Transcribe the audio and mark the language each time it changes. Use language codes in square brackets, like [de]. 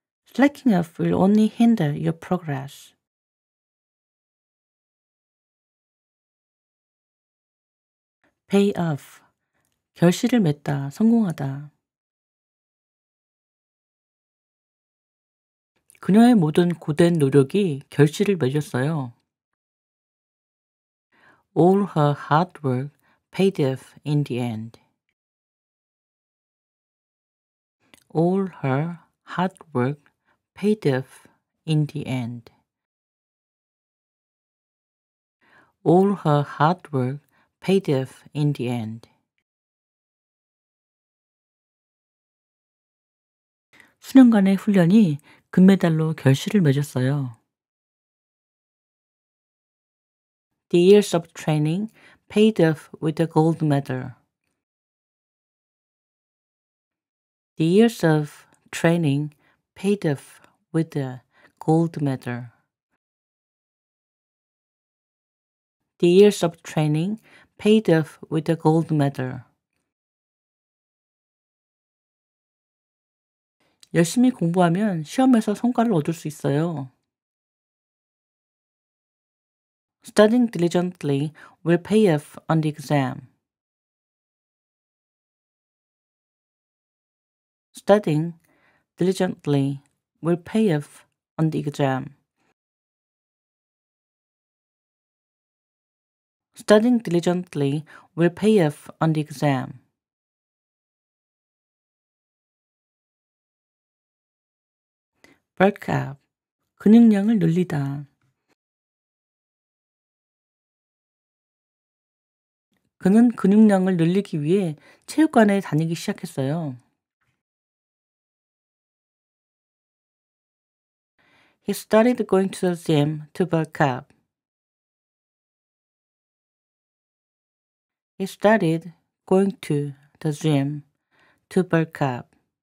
[en] Slacking off will only hinder your progress. [ko] 결실을 맺다, 성공하다. 그녀의 모든 고된 노력이 결실을 맺었어요. [en] All her hard work paid off in the end. All her hard work paid off in the end. All her hard work paid off in the end. [ko] 수년간의 훈련이 금메달로 결실을 맺었어요. [en] The years of training paid off with a gold medal. The years of training paid off with a gold medal. The years of training paid off with a gold medal. [ko] 열심히 공부하면 시험에서 성과를 얻을 수 있어요. [en] Studying diligently will pay off on the exam. Studying diligently will pay off on the exam. Studying diligently will pay off on the exam. [ko] 벌크업, 근육량을 늘리다. 그는 근육량을 늘리기 위해 체육관에 다니기 시작했어요. [en] He started going to the gym to bulk up. He started going to the gym to bulk up.